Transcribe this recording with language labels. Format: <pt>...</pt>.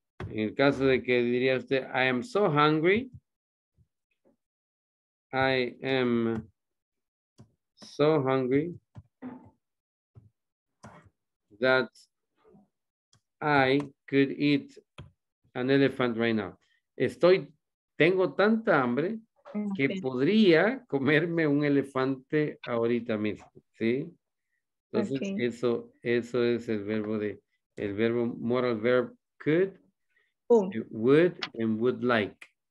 <es>En el caso de que diría usted,</es> <en>I am so hungry. I am so hungry that I could eat an elephant right now.</en> <es>Tengo tanta hambre que podría comerme un elefante ahorita mismo, ¿sí? Entonces, okay. eso es el verbo moral verb could, would, and would like.</es>